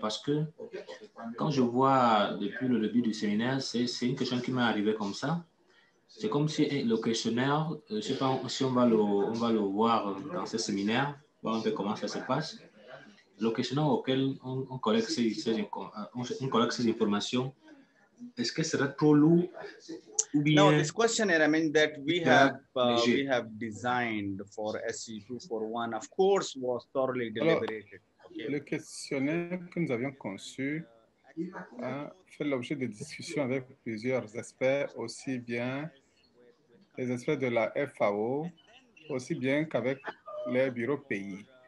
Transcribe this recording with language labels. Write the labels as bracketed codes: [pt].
[fr] Parce que quand je vois depuis le début du séminaire, c'est une question qui m'est arrivée comme ça. C'est comme si le questionnaire, je ne sais pas si on va le voir dans ce séminaire, voir un peu comment ça se passe. Le questionnaire auquel on collecte ces informations, est-ce que ce sera trop lourd ou bien... [en] Non, this questionnaire, I mean that we have designed for SE241, of course, was thoroughly deliberated. Okay. [fr] Le questionnaire que nous avions conçu a fait l'objet de discussions avec plusieurs experts, aussi bien les experts de la FAO, aussi bien qu'avec les bureaux pays.